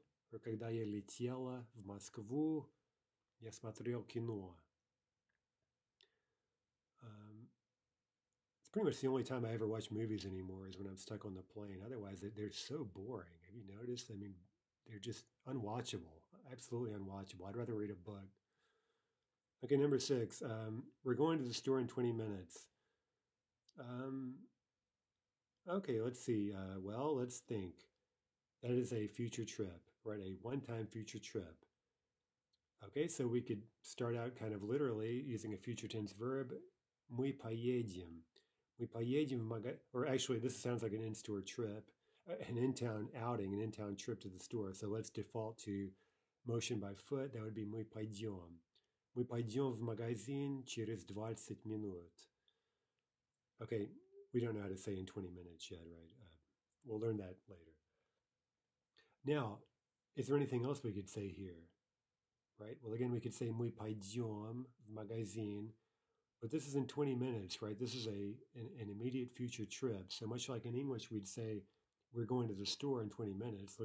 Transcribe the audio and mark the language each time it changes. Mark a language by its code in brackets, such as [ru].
[ru] Когда я летела в Москву, я смотрел кино. [en] It's pretty much the only time I ever watch movies anymore is when I'm stuck on the plane. Otherwise, they're so boring. Have you noticed? I mean, they're just unwatchable, absolutely unwatchable. I'd rather read a book. Okay, number six. We're going to the store in 20 minutes. Okay, let's see. Well, let's think. That is a future trip, right? A one-time future trip. Okay, so we could start out kind of literally using a future tense verb. [ru] Мы поедем. Мы поедем в [en] Or actually, this sounds like an in-store trip, an in-town outing, an in-town trip to the store. So let's default to motion by foot. That would be [ru] мы пойдем. Мы пойдем в магазин через 20 минут. [en] Okay, we don't know how to say in 20 minutes yet, right? We'll learn that later. Now, is there anything else we could say here? Right. Well, again, we could say [ru] мы пойдем в магазин, [en] but this is in 20 minutes, right? This is an immediate future trip. So much like in English, we'd say we're going to the store in 20 minutes.